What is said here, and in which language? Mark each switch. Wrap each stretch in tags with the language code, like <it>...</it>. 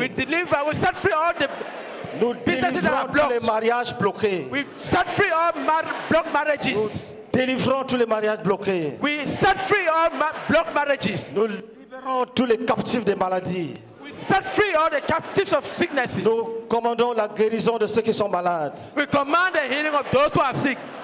<en>We deliver. We set free all the</en> <fr>nous</fr> <en>businesses that are blocked.</en> <fr>Tous les mariages bloqués.</fr> <en>We set free all blocked marriages.</en> <fr>Nous délivrons tous les mariages bloqués.</fr> <en>We set free all blocked marriages.</en> <fr>Nous libérons tous les captifs des maladies.</fr> <en>We set free all the captives of sicknesses.</en> <fr>Nous commandons la guérison de ceux qui sont malades.</fr> <en>We command the healing of those who are sick.</en>